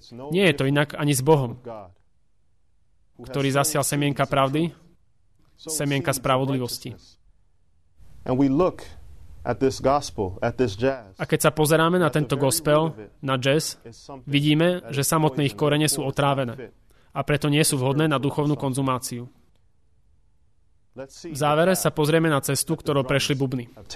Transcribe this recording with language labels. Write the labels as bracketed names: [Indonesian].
[Slovak] Nie je to inak ani s Bohom, ktorý zasial semienka pravdy, semienka spravodlivosti. [English] And we look at this gospel, at this jazz. [Slovak] A keď sa pozeráme na tento gospel, na jazz, vidíme, že samotné ich korene sú otrávené a preto nie sú vhodné na duchovnú konzumáciu. V závere sa pozrieme na cestu, ktorou prešli bubny.